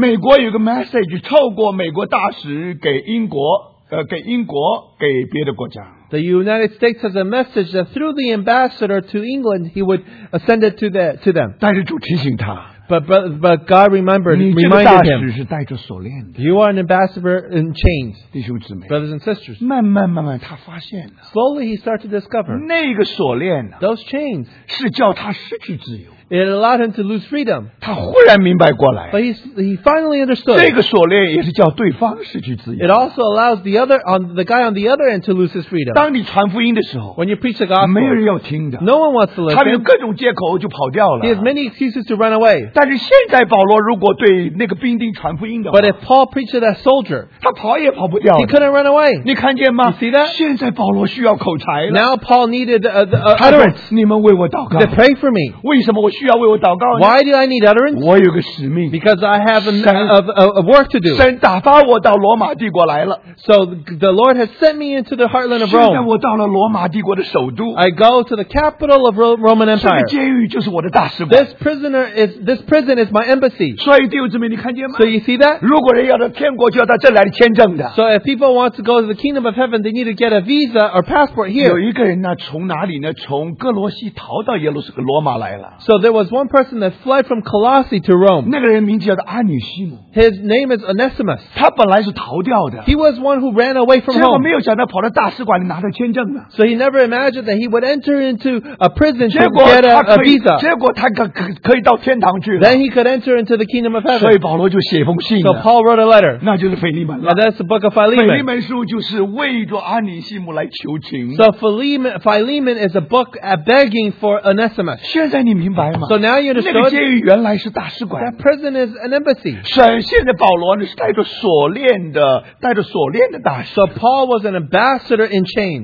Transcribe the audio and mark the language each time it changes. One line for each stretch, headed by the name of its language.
Chinese: 美国有个 message 透过美国大使给英国给英国给别的国家。
English: The United States has a message that through the ambassador to England, he would send it to them.
Chinese: 但是主提醒他,
English: but God reminded him.
Chinese: 你这个大使是带着锁链的。
English: You are an ambassador in chains,
Chinese: 弟兄姊妹,
English: brothers and sisters.
Chinese: 慢慢慢慢他发现了,
English: slowly he started to discover.
Chinese: 那个锁链,
English: those chains,
Chinese: 是叫他失去自由。
English: It allowed him to lose freedom.
Chinese: 他忽然明白过来。
English: But he finally understood.
Chinese: 这个锁链也是叫对方失去自由。
English: It also allows the other on the guy on the other end to lose his freedom.
Chinese: 当你传福音的时候
English: ，when you preach the gospel，
Chinese: 没人要听的。
English: No one wants to listen.
Chinese: 他有各种借口就跑掉了。
English: He has many excuses to run away.
Chinese: 但是现在保罗如果对那个兵丁传福音的话
English: ，But if Paul preached to that soldier，
Chinese: 他跑也跑不掉。
English: He couldn't run away.
Chinese: 你看见吗
English: ？You see that？
Chinese: 现在保罗需要口才了。
English: Now Paul needed utterance.
Chinese: 你们为我祷告。
English: They pray for me.
Chinese: 为什么我？需要为我祷告。
English: Why do I need utterance?
Chinese: 我有个使命。
English: Because I have a work to do.
Chinese: 神打发我到罗马帝国来了。
English: So the Lord has sent me into the heartland of Rome.
Chinese: 现在我到了罗马帝国的首都。
English: I go to the capital of Roman Empire.
Chinese: 这个监狱就是我的大使馆。
English: This prison is my embassy.
Chinese: 所以弟兄姊妹，你看见吗？
English: So you see that?
Chinese: 如果人要到天国，就要到这来签证的。
English: So if people want to go to the kingdom of heaven, they need to get a visa or passport here.
Chinese: 有一个人呢，从哪里呢？从哥罗西逃到耶路撒罗马来了。
English: So there was one person that fled from Colossae to Rome.
Chinese: 那个人名字叫阿女西姆。
English: His name is Onesimus.
Chinese: 他本来是逃掉的。
English: He was one who ran away from home.
Chinese: 结果没有想到跑到大使馆里拿到签证了。
English: So he never imagined that he would enter into a prison to get a visa.
Chinese: 结果他可以到天堂去了。
English: Then he could enter into the kingdom of heaven.
Chinese: 所以保罗就写封信了。
English: So Paul wrote a letter.
Chinese: 那就是腓利门了。
English: And that's the book of Philemon.
Chinese: 腓利门书就是为着阿女西姆来求情。
English: So Philemon is a book begging for Onesimus.
Chinese: 现在你明白吗？
English: So now you understand.
Chinese: 那个监狱原来是大使馆。
English: That prison is an embassy.
Chinese: 现在保罗是带着锁链的大使。
English: So Paul was an ambassador in chains.